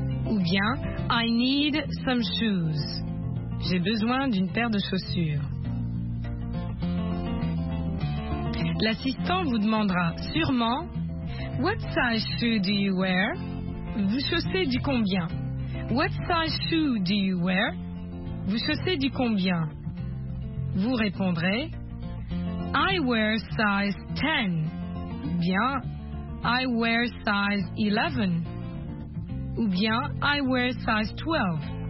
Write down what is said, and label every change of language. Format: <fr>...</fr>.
<fr>Ou bien,</fr> <en>I need some shoes.</en> <fr>J'ai besoin d'une paire de chaussures. L'assistant vous demandera sûrement,</fr> <en>what size shoe do you wear?</en> <fr>Vous chaussez du combien?</fr> <en>What size shoe do you wear?</en> <fr>Vous chaussez du combien? Vous répondrez,</fr> <en>I wear size 10. Bien, I wear size 11.</en> <fr>Ou bien,</fr> <en>I wear size 12.</en>